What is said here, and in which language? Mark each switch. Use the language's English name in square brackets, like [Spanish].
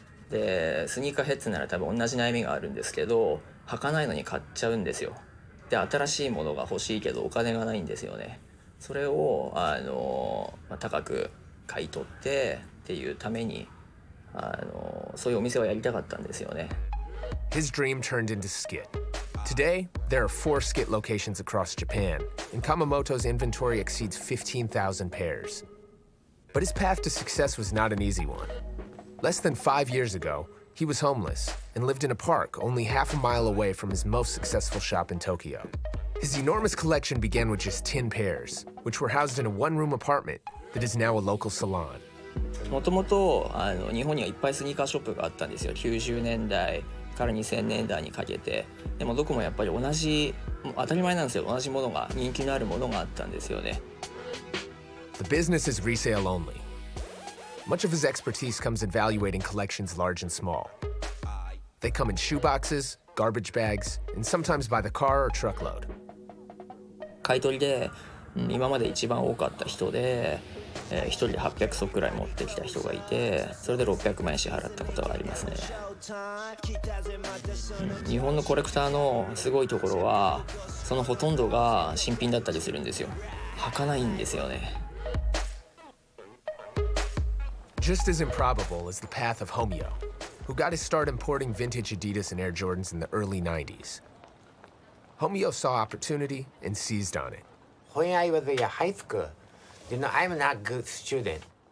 [Japanese] でスニーカーヘッズなら多分同じ悩みがあるんですけど、履かないのに買っちゃうんですよ。で新しいものが欲しいけどお金がないんですよね。それを高く買い取ってっていうために、そういうお店はやりたかったんですよね。 [English] His dream turned into skit. Today, there are 4 skit locations across Japan, and Kamamoto's inventory exceeds 15,000 pairs. But his path to success was not an easy one. Less than 5 years ago, he was homeless and lived in a park only half a mile away from his most successful shop in Tokyo. His enormous collection began with just 10 pairs, which were housed in a one-room apartment that is now a local salon. [Japanese] もともと、日本にはいっぱいスニーカーショップがあったんですよ。 90年代から2000年代にかけて。でもどこもやっぱり同じ、当たり前なんですよ、同じものが、人気のあるものがあったんですよね。 [English] The business is resale only. Much of his expertise comes evaluating collections large and small. They come in shoe boxes, garbage bags, and sometimes by the car or truckload. [Japanese] 買い取りで、今まで一番多かった人で、1人で800足くらい持ってきた人がいて、それで600万円支払ったことがありますね。日本のコレクターのすごいところは、そのほとんどが新品だったりするんですよ。履かないんですよね。 [English] Just as improbable is the path of Homeo, who got his start importing vintage Adidas and Air Jordans in the early 90s. Homeo saw opportunity and seized on it. When I was in high school,You know, I'm not a good student.